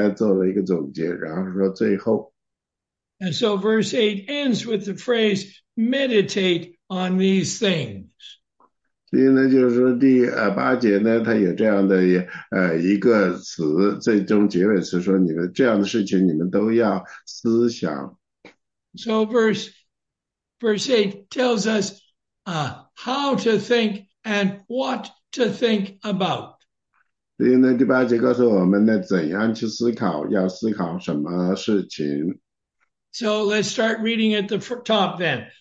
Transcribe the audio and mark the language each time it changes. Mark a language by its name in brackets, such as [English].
[Chinese] 第八节呢，它继续呢，就是说是去呼应那个第一节所讲的，因为它这里呢讲的是最后，最后呢，那么说呢，实际上呢讲到的是啊，把第一节到第七节呢做了一个总结，然后说最后。 [English] And so verse 8 ends with the phrase, meditate on these things. [Chinese] 所以呢，就是说第八节呢，它有这样的一个词，最终结尾词说，你们这样的事情你们都要思想。 [English] So verse 8 tells us how to think and what to think about. [Chinese] 所以呢，第八节告诉我们呢，怎样去思考，要思考什么事情。 [English] So let's start reading at the top then.